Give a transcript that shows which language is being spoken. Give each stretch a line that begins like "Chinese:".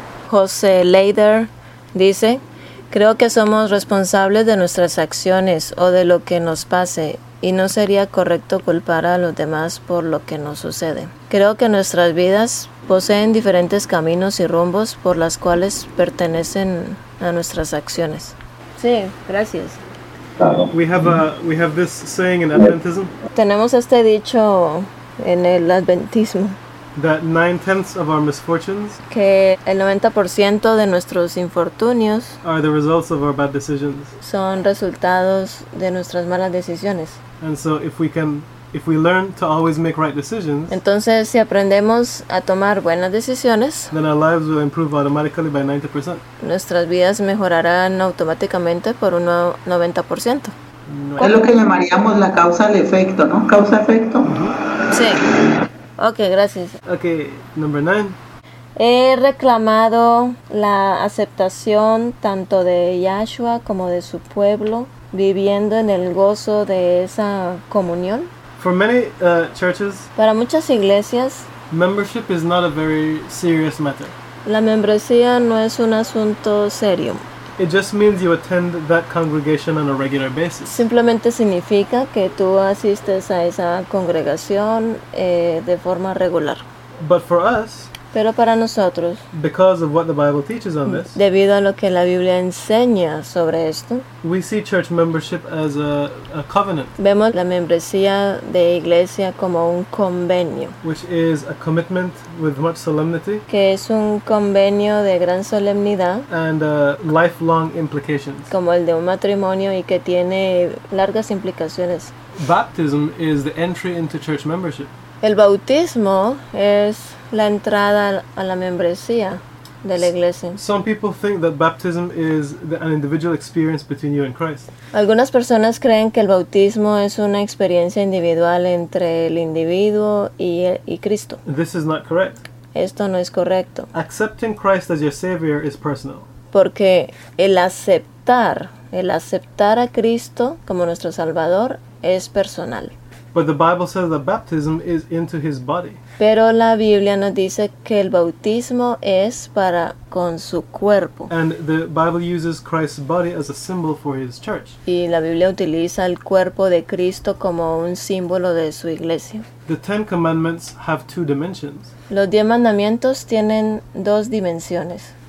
Spanish: José Leider dice, creo que somos responsables de nuestras acciones o de lo que nos pase, y no sería correcto culpar a los demás por lo que nos sucede. Creo que nuestras vidas poseen diferentes caminos y rumbos por los cuales pertenecen a nuestras acciones. Sí, gracias.
English: We have this saying in Adventism.
Spanish: Tenemos este dicho en el adventismo.
English: That 9/10 of our misfortunes,
Spanish: que el 90% de nuestros infortunios,
English: are the results of our bad decisions,
Spanish: son resultados de nuestras malas decisiones.
English: And so if we learn to always make right decisions,
Spanish: entonces si aprendemos a tomar buenas decisiones,
English: then our lives will improve automatically by 90%.
Spanish: Nuestras vidas mejorarán automáticamente por un 90%. Es lo que llamaríamos la causa al efecto, ¿no? Causa efecto. Sí. Okay, gracias.
English: Okay, number 9.
Spanish: He reclamado la aceptación tanto de Yahshua como de su pueblo, viviendo en el gozo de esa comunión.
English: For many churches,
Spanish: para muchas iglesias,
English: membership is not a very serious matter.
Spanish: La membresía no es un asunto serio.
English: It just means you attend that congregation on a regular basis.
Spanish: Simplemente significa que tú asistes a esa congregación de forma regular.
English: But for us,
Spanish: pero para nosotros,
English: because of what the Bible teaches on this,
Spanish: debido a lo que la Biblia enseña sobre esto,
English: we see church membership as a covenant.
Spanish: Vemos la membresía de iglesia como un convenio,
English: which is a commitment with much solemnity,
Spanish: que es un convenio de gran solemnidad,
English: and lifelong implications,
Spanish: como el de un matrimonio y que tiene largas implicaciones.
English: Baptism is the entry into church membership.
Spanish: El bautismo es la entrada a la membresía de la iglesia.
English: Some people think that baptism is an individual experience between you and Christ.
Spanish: Algunas personas creen que el bautismo es una experiencia individual entre el individuo y Cristo.
English: This is not correct.
Spanish: Esto no es correcto.
English: Accepting Christ as your savior is personal.
Spanish: Porque el aceptar a Cristo como nuestro Salvador es personal.
English: But the Bible says that baptism is into his body.
Spanish: Pero la Biblia nos dice que el bautismo es para con su cuerpo.
English: And the Bible uses Christ's body as a symbol for his church.
Spanish: Y la Biblia utiliza el cuerpo de Cristo como un símbolo de su iglesia.
English: The Ten Commandments have two dimensions.
Spanish: Los 10 mandamientos tienen dos dimensiones.